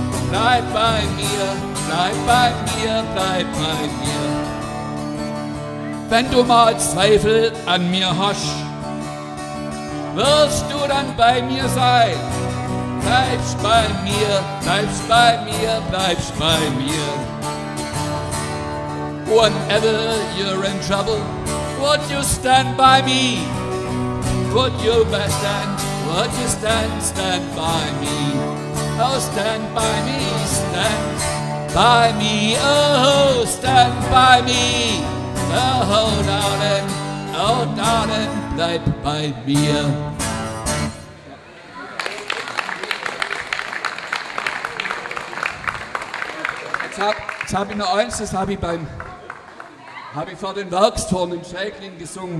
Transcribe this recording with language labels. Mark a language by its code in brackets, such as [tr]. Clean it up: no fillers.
[de] Bleib bei mir, bleib bei mir, bleib bei mir. Wenn du mal Zweifel an mir hast, wirst du dann bei mir sein. Bleibst bei mir, bleibst bei mir, bleibst bei mir. [en] Whenever you're in trouble, would you stand by me? Would you stand, would you stand, stand by me? Oh, stand by me, stand by me, oh, stand by me. Oh, darling, [de] bleib bei mir. Jetzt hab ich noch eins, das hab ich vor den Werkstoren in Schäkling gesungen.